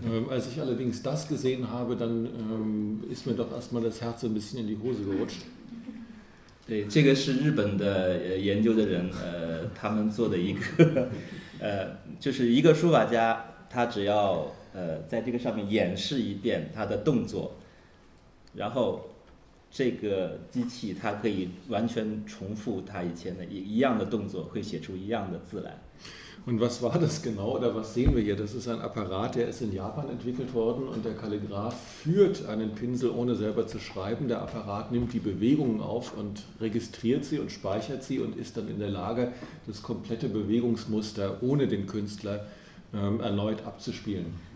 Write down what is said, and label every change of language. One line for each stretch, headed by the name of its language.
German: Als ich allerdings das gesehen habe, dann ist mir doch erstmal das Herz ein bisschen in die Hose gerutscht.
Chinese: 这个是日本的研究的人，他们做的一个，就是一个书法家，他只要在这个上面演示一遍他的动作，然后这个机器它可以完全重复他以前的一样的动作，会写出一样的字来。
German: Und was war das genau oder was sehen wir hier? Das ist ein Apparat, der ist in Japan entwickelt worden und der Kalligraph führt einen Pinsel, ohne selber zu schreiben. Der Apparat nimmt die Bewegungen auf und registriert sie und speichert sie und ist dann in der Lage, das komplette Bewegungsmuster ohne den Künstler erneut abzuspielen.